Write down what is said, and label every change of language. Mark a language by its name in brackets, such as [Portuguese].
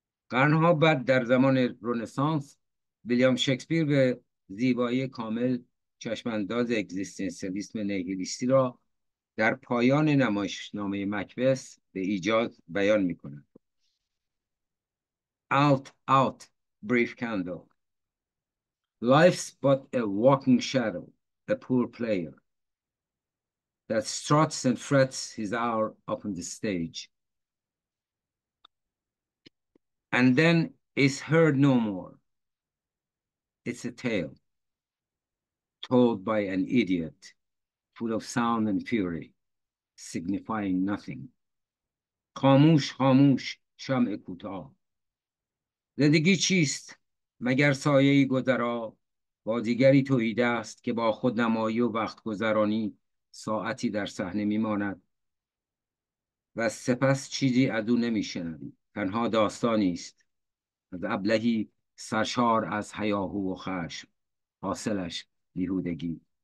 [Persian] قرنها بعد در زمان رنسانس، ویلیام شکسپیر به زیبایی کامل چشمانداز اگزیستانسیالیسم نیهیلیستی را در پایان نمایشنامه مکبث به ایجاز بیان می کند. [English] Out, brief candle. Life's but a walking shadow, a poor player that struts and frets his hour upon the stage and then is heard no more. It's a tale told by an idiot full of sound and fury, signifying nothing. [Persian] خاموش خاموش شمع کوتاه. زندگی چیست مگر سایه گذرا با دیگری تهیدست که با خود نمایی و وقت گذرانی ساعتی در صحنه میماند و سپس چیزی از او نمیشنوی، تنها داستانی است از ابلهی سرشار از هیاهو و خشم، حاصلش بیهودگی.